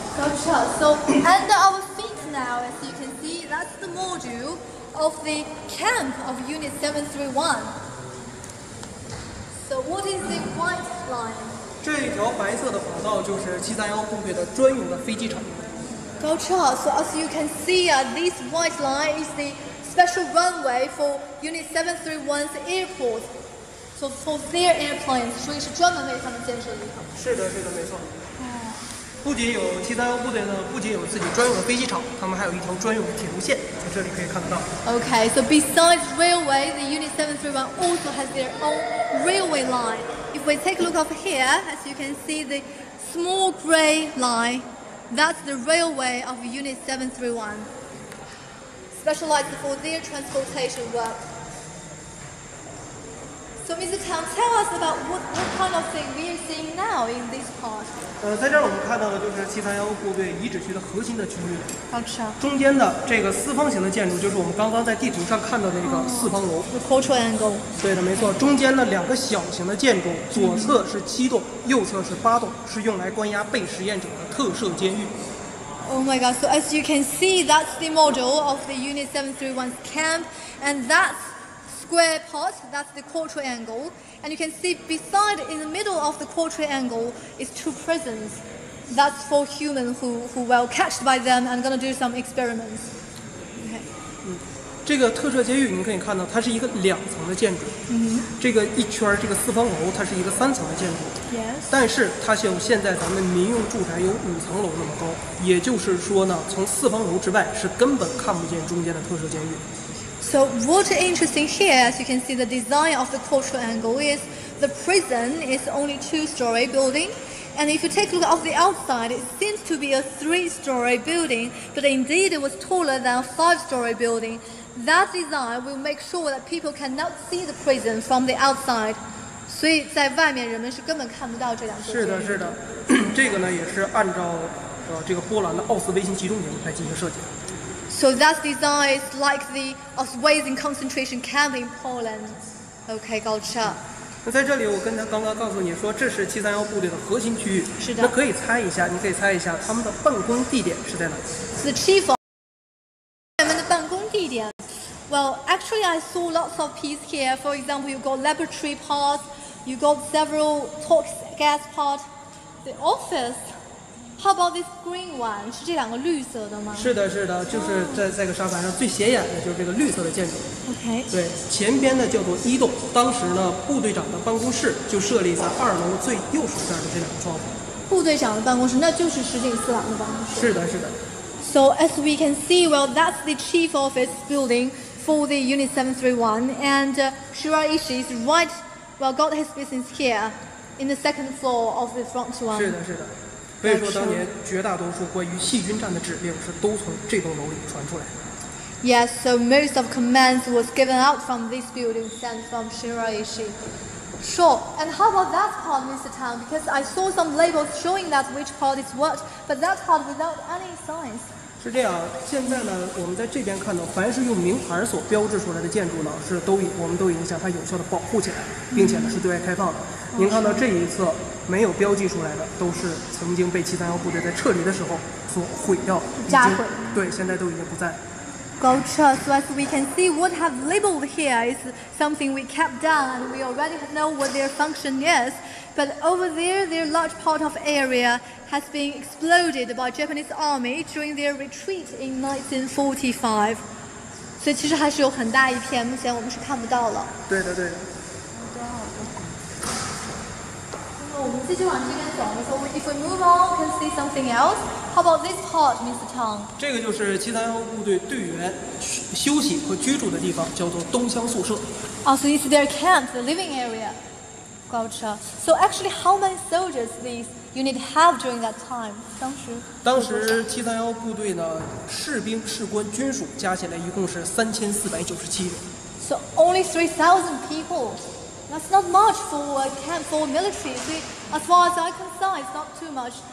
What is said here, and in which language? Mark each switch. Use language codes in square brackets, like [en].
[en] Gotcha. So under our feet now, as you can see, that's the module of the camp of Unit 731. So what is the white line? [zh] 这一条白色的跑道就是七三幺部队的专用的飞机场。 [en] Gotcha. So as you can see, this white line is the special runway for Unit 731's airport. So for their airplanes, [zh] 所以是专门为他们建设的一个。是的，是的，没错。不仅有七三幺部队呢，不仅有自己专用的飞机场，他们还有一条专用的铁路线，在这里可以看得到。 [en] Okay, so besides railway, the Unit 731 also has their own railway line. If we take a look over here, as you can see, the small gray line, that's the railway of Unit 731, specialized for their transportation work. So Mr. Tang, tell us about what kind of thing we are seeing now in this part. [zh] 在这儿我们看到的就是七三幺部队遗址区的核心的区域。 [en] Gotcha. [zh] 中间的这个四方形的建筑就是我们刚刚在地图上看到的那个四方楼。 [en] The quadrilateral angle. [zh] 对的，没错。中间的两个小型的建筑，左侧是7栋，右侧是8栋，是用来关押被实验者的特设监狱。 [en] Oh my God! So as you can see, that's the module of the Unit 731's camp, and that's. Square part, that's the quadrilateral angle, and you can see beside in the middle of the quadrilateral angle is 2 prisons. That's for humans who were captured by them and gonna do some experiments. Okay. [zh] 这个特设监狱您可以看到，它是一个2层的建筑。 Mm-hmm. 这个一圈这个四方楼，它是一个3层的建筑。 [en] Yes. [zh] 但是它像现在咱们民用住宅有5层楼那么高，也就是说呢，从四方楼之外是根本看不见中间的特设监狱。 [en] So what is interesting here, as you can see, the design of the quadrilateral angle is the prison is only 2-story building. And if you take a look at the outside, it seems to be a 3-story building, but indeed it was taller than a 5-story building. That design will make sure that people cannot see the prison from the outside. [zh] 所以在外面人们是根本看不到这两座。是的，是的，这个呢也是按照这个波兰的奥斯威辛集中营来进行设计的。 [en] So that design is like the Auschwitz concentration camp in Poland. Okay, gotcha. [zh] 那在这里，我刚刚告诉你说，这是731部队的核心区域。是的。那可以猜一下，你可以猜一下他们的办公地点是在哪 [en] ？The chief. [zh] 他们的办公地点。 [en] Well, actually, I saw lots of pieces here. For example, you got laboratory part, you got several talks gas part, the office. How about this green one? [zh] 是这两个绿色的吗？是的，是的，就是在这个沙盘上最显眼的就是这个绿色的建筑。 [en] OK。 [zh] 对，前边呢叫做一栋，当时呢部队长的办公室就设立在二楼最右手边的这两个窗户。部队长的办公室，那就是石井四郎的办公室。是的，是的。 [en] So as we can see, well, that's the chief office building for the Unit 731, and Shiraishi is right. Well, got his business here in the second floor of the front one. [zh] 是的，是的。所以说，当年绝大多数关于细菌战的指令是都从这栋楼里传出来的。 [en] Yes, so most of commands was given out from this building sent from Shiraishi. Sure. And how about that part, Mr. Tang? Because I saw some labels showing that which part is what, but that part without any signs. [zh] 是这样。现在呢，我们在这边看到，凡是用名牌所标志出来的建筑呢，是都我们都已经向它有效的保护起来，并且呢是对外开放的。您看到这一侧。没有标记出来的都是曾经被731部队在撤离的时候所毁掉炸毁对现在都已经不在 [en] Gotcha, so as we can see what have labeled here is something we kept down and we already know what their function is but over there their large part of area has been exploded by Japanese army during their retreat in 1945 [zh] 所以其实还是有很大一片目前我们是看不到了对的对的我们继续往这边走的时候 [en] ，if we move on, can see something else. How about this part, Mr. Tang? [zh] 这个就是731部队队员休息和居住的地方，叫做东厢宿舍。 [en] Oh, so it's their camp, the living area. Gotcha. So actually, how many soldiers these unit have during that time? [zh] 当时 731部队呢，士兵、士官、军属加起来一共是3497人。 [en] So only 3,000 people. That's not much for a camp for military. So, as far as I can see, it's not too much.